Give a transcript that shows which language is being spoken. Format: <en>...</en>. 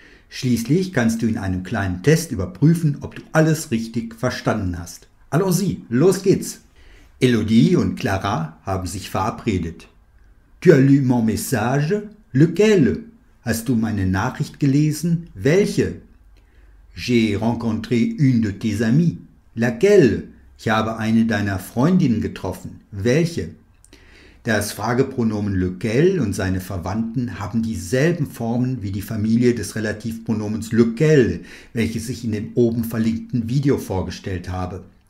<de>Schließlich kannst du in einem kleinen Test überprüfen, ob du alles richtig verstanden hast.</de> <fr>Allons-y,</fr> <de>los geht's! Elodie und Clara haben sich verabredet.</de> <fr>Tu as lu mon message? Lequel?</fr> <de>Hast du meine Nachricht gelesen? Welche?</de> <fr>J'ai rencontré une de tes amies. Laquelle?</fr> <de>Ich habe eine deiner Freundinnen getroffen. Welche? Das Fragepronomen lequel und seine Verwandten haben dieselben Formen wie die Familie des Relativpronomens lequel, welches ich in dem oben verlinkten Video vorgestellt habe.</de>